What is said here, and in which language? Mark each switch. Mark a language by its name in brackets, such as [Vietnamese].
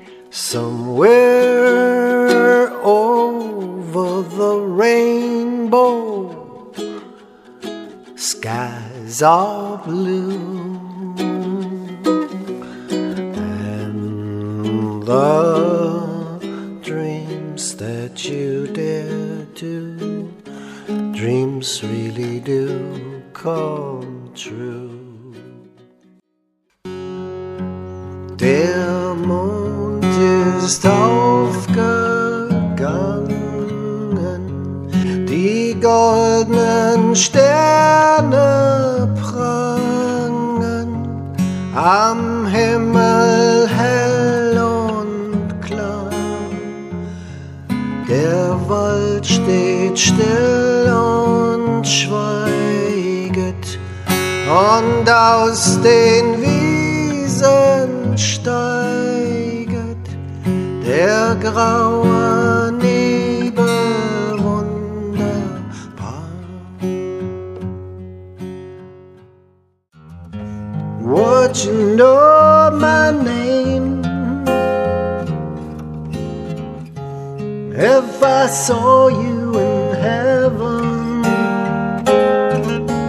[English] Somewhere over the rainbow, skies are blue, and the dreams that you dare to, dreams really do come true. [German] Dear moon, just aufgegangen, die goldenen Sterne prangen am Himmel hell und klar. Der Wald steht still und schweiget, und aus den Wiesen steiget der graue Nebel wunderbar. [English] Would you know my name if I saw you in heaven?